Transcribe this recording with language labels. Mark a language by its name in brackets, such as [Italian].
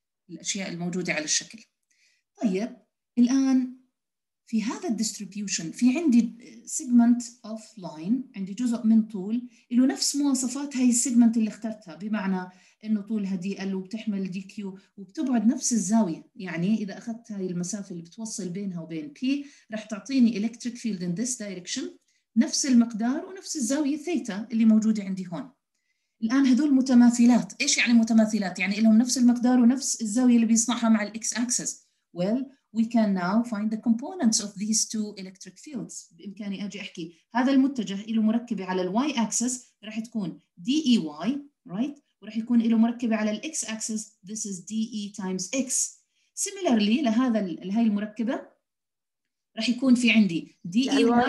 [Arabic] الأشياء الموجودة على الشكل. طيب الآن في هذا الديستريبيوشن في عندي سيجمنت اوف لاين، عندي جزء من طول له نفس مواصفات هاي السيجمنت اللي اخترتها، بمعنى انه طولها دي ال وبتحمل دي كيو وبتبعد نفس الزاويه، يعني اذا اخذت هاي المسافه اللي بتوصل بينها وبين بي راح تعطيني الكتريك فيلد [English] in this direction [Arabic] نفس المقدار ونفس الزاويه ثيتا اللي موجوده عندي هون. الان هذول متماثلات، ايش يعني متماثلات؟ يعني لهم نفس المقدار ونفس الزاويه اللي بيصنعها مع الاكس اكسس. [English] Well, we can now find the components of these two electric fields. [Arabic] بإمكاني أجي أحكي هذا المتجه إله مركبة على ال y-axis راح تكون dEy, right? وراح يكون إله مركبة على ال x-axis. [English] This is dE times x. Similarly [Arabic] لهذا لهي المركبة راح يكون في عندي dEy.